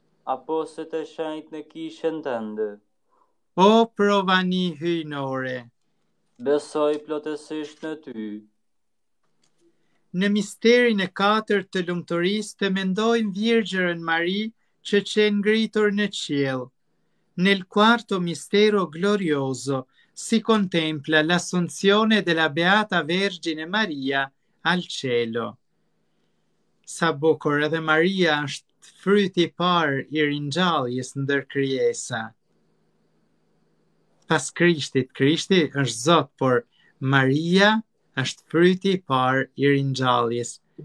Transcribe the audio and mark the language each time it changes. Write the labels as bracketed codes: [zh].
[sq] apostët e shenjtë në kishën tënde. O provani hyjnore, besoj plotësisht në ty. Në misterin e katër të lumturisë të mendojmë Virgjërën Mari që qenë ngritur në qiell. [it] Nel quarto mistero glorioso si contempla l'assunzione della Beata Vergine Maria al cielo. [sq] Sa bukur edhe Maria është fryti par i ringjalljes ndër krijesa. Pas Krishtit, Krishti është Zot, por Maria është fryti par i ringjalljes.